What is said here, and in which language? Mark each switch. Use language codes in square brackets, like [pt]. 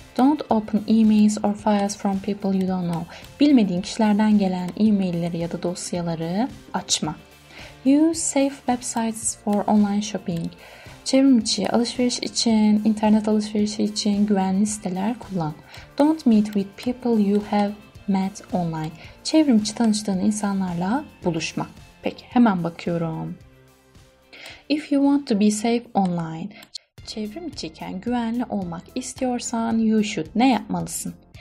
[en] Don't open emails or files from people you don't know. [tr] Bilmediğin kişilerden gelen e-mailleri ya da dosyaları açma. [en] Use safe websites for online shopping. [tr] Çevrim içi alışveriş için, internet alışverişi için güvenli siteler kullan. [en] Don't meet with people you have met online. [tr] Çevrim içi tanıştığın insanlarla buluşma. Peki, hemen bakıyorum. [en] If you want to be safe online, [tr] çevrim içiyken güvenli olmak istiyorsan [en] you should [tr] ne yapmalısın?